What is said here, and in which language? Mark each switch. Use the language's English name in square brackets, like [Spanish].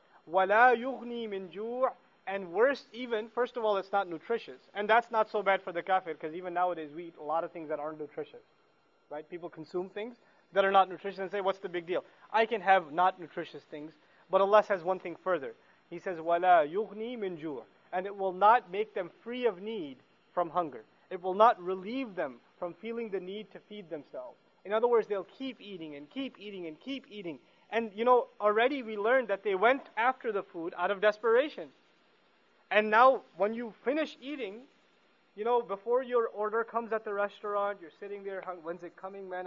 [Arabic] وَلَا يُغْنِي مِنْ جُوعٍ. [English] And worse even, first of all, it's not nutritious. And that's not so bad for the kafir, because even nowadays we eat a lot of things that aren't nutritious. Right? People consume things that are not nutritious and say, what's the big deal? I can have not nutritious things. But Allah says one thing further. [Arabic] He says, وَلَا يُغْنِي مِنْ جُوعٍ. [English] And it will not make them free of need from hunger. It will not relieve them from feeling the need to feed themselves. In other words, they'll keep eating and keep eating and keep eating. And you know, already we learned that they went after the food out of desperation. And now when you finish eating, you know, before your order comes at the restaurant, you're sitting there, when's it coming, man?